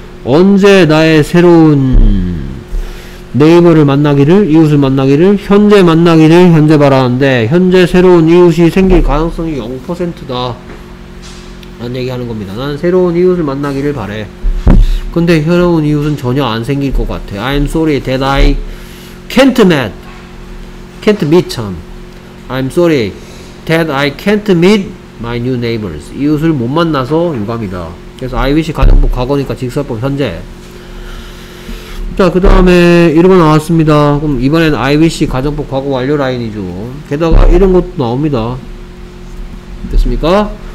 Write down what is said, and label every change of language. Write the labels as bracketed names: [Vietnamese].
[Korean] 언제 나의 새로운 네이버를 만나기를? 이웃을 만나기를? 현재 만나기를 현재 말하는데 현재 새로운 이웃이 생길 가능성이 0%다. 라는 얘기하는 겁니다. 나는 새로운 이웃을 만나기를 바래. 근데 새로운 이웃은 전혀 안 생길 것 같아. [English] I'm sorry that I can't meet. Can't meet, I'm sorry that I can't meet My new neighbors. [Korean] 이웃을 못 만나서 유감이다. 그래서 I wish 가정법 과거니까 직설법 현재. 자, 그 다음에 이런거 나왔습니다. 그럼 이번엔 I wish 가정법 과거 완료 라인이죠. 게다가 이런 것도 나옵니다. 됐습니까?